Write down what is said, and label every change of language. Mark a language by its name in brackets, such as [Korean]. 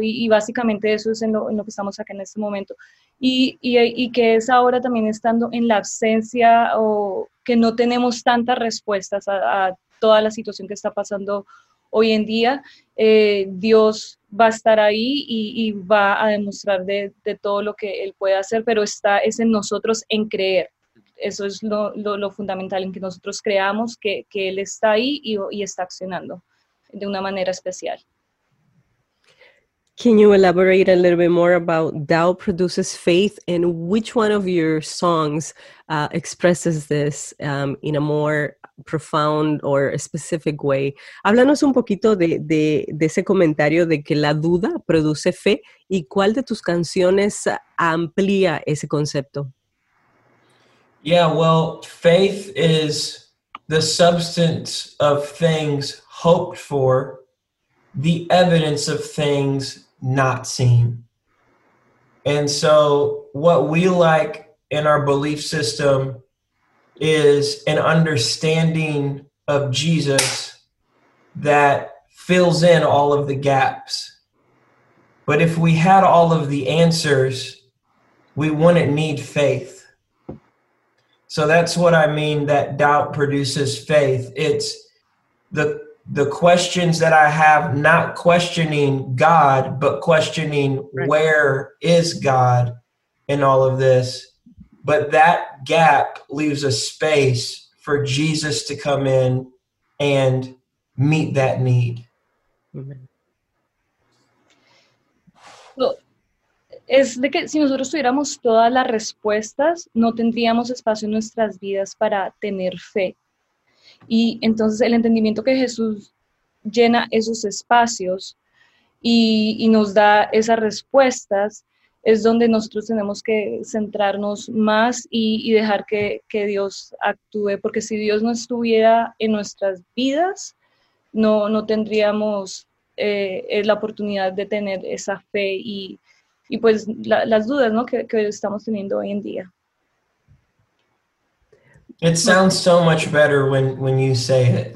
[Spanish] Y básicamente eso es en lo que estamos acá en este momento. Y que es ahora también estando en la ausencia o que no tenemos tantas respuestas a toda la situación que está pasando hoy en día, Dios va a estar ahí y va a demostrar de todo lo que Él puede hacer, pero es en nosotros en creer. Eso es lo fundamental, en que nosotros creamos que Él está ahí y está accionando de una manera especial. [English] Can you elaborate a little bit more about doubt produces faith, and which one of your songs expresses this in a more profound or specific way? [Spanish] Háblanos un poquito de ese comentario de que la duda produce fe, y cuál de tus canciones amplía ese concepto. [English] Yeah, well, faith is the substance of things hoped for, the evidence of things not seen. And so what we like in our belief system is an understanding of Jesus that fills in all of the gaps. But if we had all of the answers, we wouldn't need faith. So that's what I mean that doubt produces faith. It's the questions that I have, not questioning God, but questioning right. Where is God in all of this. But that gap leaves a space for Jesus to come in and meet that need. Amen. [Spanish] Es de que si nosotros tuviéramos todas las respuestas, no tendríamos espacio en nuestras vidas para tener fe. Y entonces el entendimiento que Jesús llena esos espacios y nos da esas respuestas es donde nosotros tenemos que centrarnos más y dejar que Dios actúe. Porque si Dios no estuviera en nuestras vidas, no tendríamos la oportunidad de tener esa fe y pues las dudas, ¿no? que estamos teniendo hoy en día. [English] It sounds so much better when you say it.